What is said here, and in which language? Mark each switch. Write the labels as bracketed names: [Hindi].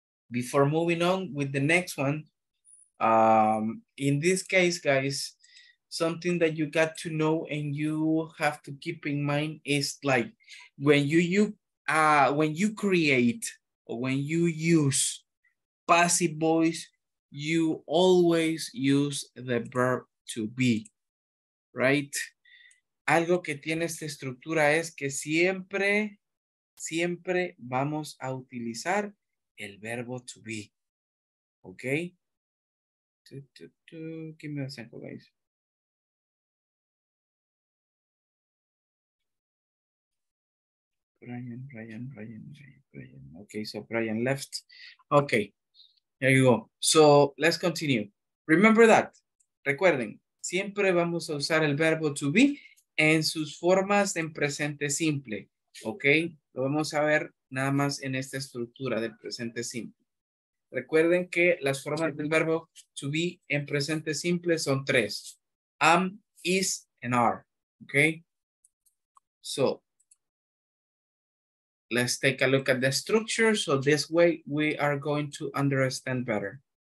[English] Before moving on with the next one, in this case, guys, something that you got to know and you have to keep in mind is like when you create or when you use passive voice, you always use the verb to be, right? [Spanish] Algo que tiene esta estructura es que siempre, siempre vamos a utilizar el verbo to be, okay? [English] Give me a second, guys. Brian. Okay, so Brian left. Okay, there you go. So let's continue. Remember that. [Spanish] Recuerden, siempre vamos a usar el verbo to be en sus formas en presente simple. Okay, lo vamos a ver nada más en esta estructura del presente simple. Recuerden que las formas del verbo to be en presente simple son tres. [English] Am, is, and are. Okay, so let's take a look at the structure. So this way we are going to understand better.